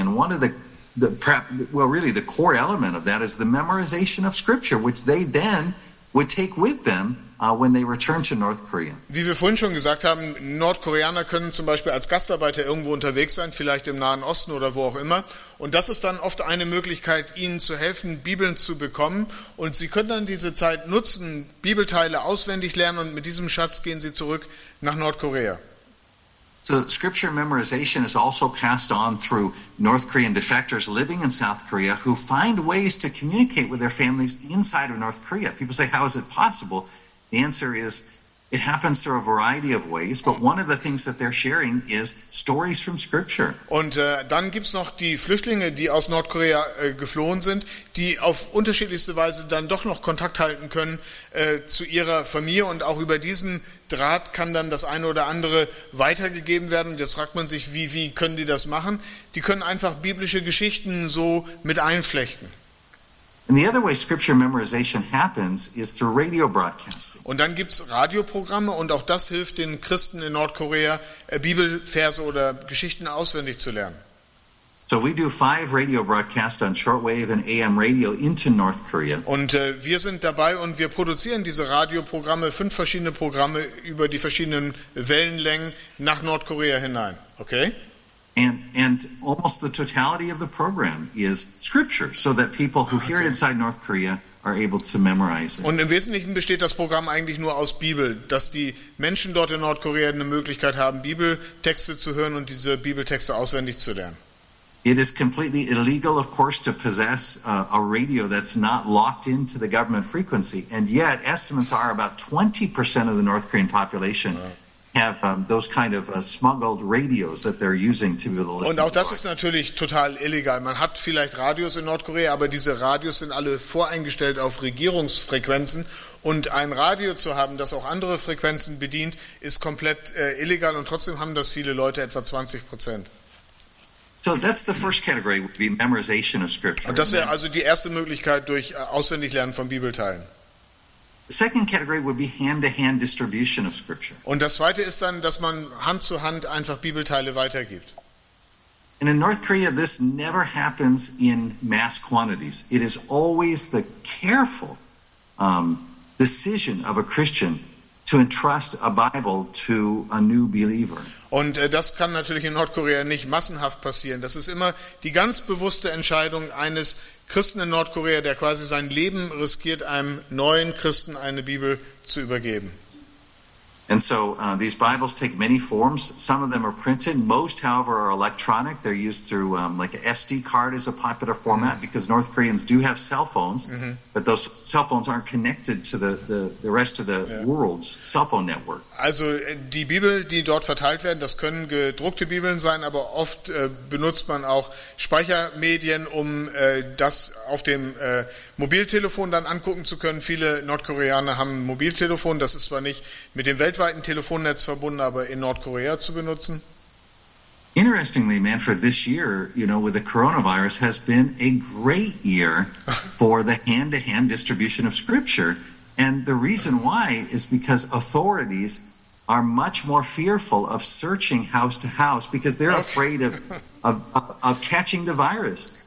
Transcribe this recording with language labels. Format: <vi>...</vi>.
<en>And one of the core element of that is the memorization of Scripture, which they then would take with them when they return to North Korea.</en> <de>Wie wir vorhin schon gesagt haben, Nordkoreaner können zum Beispiel als Gastarbeiter irgendwo unterwegs sein, vielleicht im Nahen Osten oder wo auch immer. Und das ist dann oft eine Möglichkeit, ihnen zu helfen, Bibeln zu bekommen. Und sie können dann diese Zeit nutzen, Bibelteile auswendig lernen und mit diesem Schatz gehen sie zurück nach Nordkorea.</de> <en>So scripture memorization is also passed on through North Korean defectors living in South Korea who find ways to communicate with their families inside of North Korea. People say, how is it possible? The answer is, it happens through a variety of ways, but one of the things that they're sharing is stories from Scripture.</en> <de>Und dann gibt's noch die Flüchtlinge, die aus Nordkorea geflohen sind, die auf unterschiedlichste Weise dann doch noch Kontakt halten können zu ihrer Familie, und auch über diesen Draht kann dann das eine oder andere weitergegeben werden. Jetzt fragt man sich, wie können die das machen? Die können einfach biblische Geschichten so mit einflechten.</de> <en>And the other way scripture memorization happens is through radio broadcasting.</en> <de>Und dann gibt's Radioprogramme, und auch das hilft den Christen in Nordkorea, Bibelverse oder Geschichten auswendig zu lernen.</de> <en>So we do 5 radio broadcasts on shortwave and AM radio into North Korea.</en> <de>Und wir sind dabei und wir produzieren diese Radioprogramme, 5 verschiedene Programme über die verschiedenen Wellenlängen nach Nordkorea hinein.</de> <en>Okay? And almost the totality of the program is scripture, so that people who hear it inside North Korea are able to memorize it.</en> <de>Und im Wesentlichen besteht das Programm eigentlich nur aus Bibel, dass die Menschen dort in Nordkorea eine Möglichkeit haben, Bibeltexte zu hören und diese Bibeltexte auswendig zu lernen.</de> <en>It is completely illegal, of course, to possess a radio that's not locked into the government frequency, and yet estimates are about 20% of the North Korean population have those kind of smuggled radios that they're using to be able to listen.</en> <de>Und auch das ist natürlich total illegal. Man hat vielleicht Radios in Nordkorea, aber diese Radios sind alle voreingestellt auf Regierungsfrequenzen, und ein Radio zu haben, das auch andere Frequenzen bedient, ist komplett illegal, und trotzdem haben das viele Leute, etwa 20%.</de> <en>So that's the first category, would be memorization of scripture.</en> <de>Und das wäre also die erste Möglichkeit, durch auswendig lernen von Bibelteilen.</de> <en>The second category would be hand-to-hand distribution of scripture.</en> <de>Und das zweite ist dann, dass man Hand zu Hand einfach Bibelteile weitergibt.</de> <en>And in North Korea, this never happens in mass quantities. It is always the careful decision of a Christian to entrust a Bible to a new believer.</en> <de>Und das kann natürlich in Nordkorea nicht massenhaft passieren. Das ist immer die ganz bewusste Entscheidung eines Christen in Nordkorea, der quasi sein Leben riskiert, einem neuen Christen eine Bibel zu übergeben.</de> <en>And so these Bibles take many forms. Some of them are printed. Most, however, are electronic. They're used through like an SD card is a popular format, mm-hmm. because North Koreans do have cell phones, mm-hmm. but those cell phones aren't connected to the rest of the yeah. world's cell phone network.</en> <de>Also die Bibel, die dort verteilt werden, das können gedruckte Bibeln sein, aber oft benutzt man auch Speichermedien, um das auf dem Mobiltelefon dann angucken zu können. Viele Nordkoreaner haben ein Mobiltelefon, das ist zwar nicht mit dem weltweiten Telefonnetz verbunden, aber in Nordkorea zu benutzen.</de> <en>Interestingly, Manfred, this year, you know, with the coronavirus, has been a great year for the hand-to-hand distribution of scripture. And the reason why is because authorities are much more fearful of searching house to house because they're afraid of catching the virus.</en>